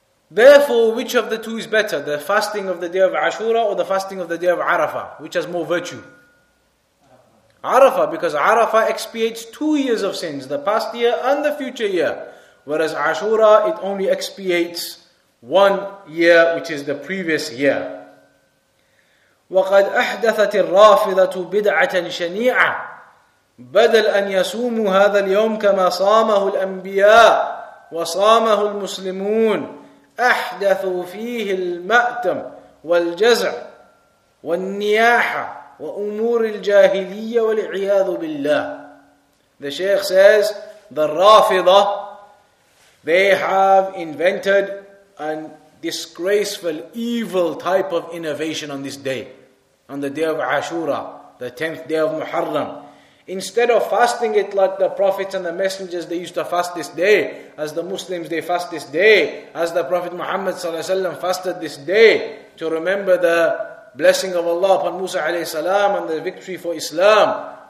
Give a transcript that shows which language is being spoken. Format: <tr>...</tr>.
<en>Therefore, which of the two is better, the fasting of the day of Ashura or the fasting of the day of Arafah? Which has more virtue? Arafah, because Arafah expiates 2 years of sins, the past year and the future year. Whereas Ashura, it only expiates 1 year, which is the previous year.</en> <ar>وَقَدْ أَحْدَثَتِ الرَّافِذَةُ بِدْعَةً شَنِيعًا بَدَلْ أَنْ يَسُومُ هَذَا الْيَوْمِ كَمَا صَامَهُ الْأَنْبِيَاءُ وَصَامَهُ الْمُسْلِمُونَ أحدثوا فيه المأتم والجزع والنياحة وأمور الجاهلية والعياذ بالله.</ar> <en>The Shaykh says, the Rafida, they have invented a disgraceful, evil type of innovation on this day, on the day of Ashura, the 10th day of Muharram. Instead of fasting it like the prophets and the messengers, they used to fast this day, as the Muslims, they fast this day, as the Prophet Muhammad ﷺ fasted this day to remember the blessing of Allah upon Musa ﷺ and the victory for Islam,</en>